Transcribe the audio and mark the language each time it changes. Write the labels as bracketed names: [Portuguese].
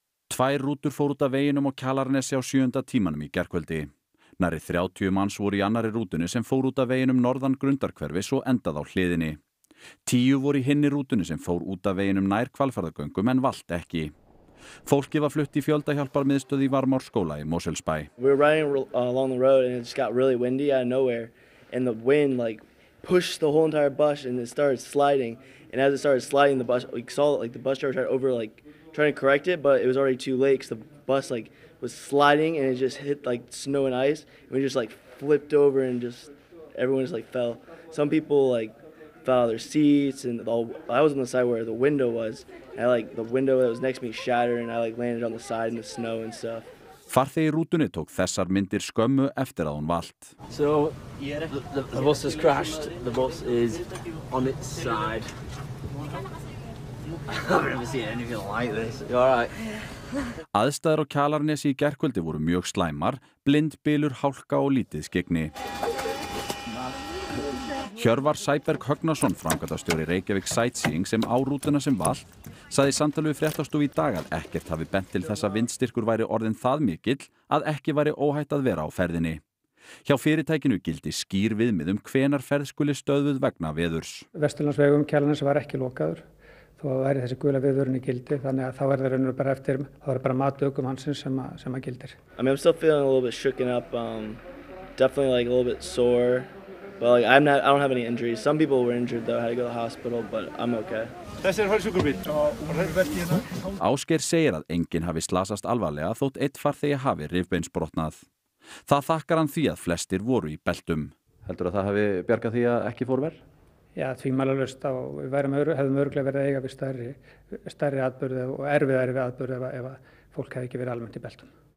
[Icelandic] Tvær rútur fóru út af veginum á Kjalarnesi á 7. tímanum í gærkvöldi. Nærri 30 manns voru í annarri rútunni sem fóru út af veginum norðan Grundarhverfis og endaði á hliðinni. 10 voru í hinni rútunni sem fóru út af veginum nær Hvalfjarðargöngum en valt ekki. Fólkið var flutt í fjöldahjálparmiðstöð í Varmárskóla í Mosfellsbæ. [English] We were riding along the road and it just got really windy out of nowhere and the wind like pushed the whole entire bus and it started sliding and as it started sliding the bus we saw like the bus driver tried over like trying to correct it but it was already too late cuz the bus like was sliding and it just hit like snow and ice and we just like flipped over and just everyone just like fell. Some people like fell out of their seats and I was on the side where the window was. I like the window that was next to me shattered and I like landed on the side in the snow and stuff. [Icelandic] Farþegi rútunni tók þessar myndir skömmu eftir að hún valt. [English] So the bus has crashed. The bus is on its side. I've never seen anything like this. You're all right. [Icelandic] Aðstæður á Kjalarnesi í gærkvöldi voru mjög slæmar, blindbylur, hálka og lítið skyggni. Hjörvar Sæberg Högnason, framkvæmdastjóri Reykjavík Sightseeing sem á rútuna sem valt, sagði samtali við fréttastofu í dag að ekkert hafi bent til þess að vindstyrkur væri orðin það mikill að ekki væri óhætt að vera á ferðinni. Hjá fyrirtækinu gildi skýr viðmið hvenær ferð skuli stöðvuð vegna veðurs. Vesturlandsvegum Kjalarnes var ekki lokaður þó að væri þessi gula viðvörun í gildi þannig að þá er það raunar bara eftir það er bara mat ökumannsins sem að gildir. [English] I mean, I'm still feeling a little bit shooken up definitely like a little bit sore. But like I don't have any injuries. Some people were injured though, had to go to the hospital, but I'm okay. [Icelandic] Þessi farið sjúkrabíll. Ásgeir segir að enginn hafi slasast alvarlega þótt einn farþegi hafi rifbeinsbrotnað. Það þakkar hann því að flestir voru í beltum. Heldur að það hafi bjargað því að ekki fór verr? Já, tvímælalaust og við hefðum örugglega verið að eiga við stærri atburði og erfiðari við atburði ef að fólk hefði ekki verið almennt í beltum.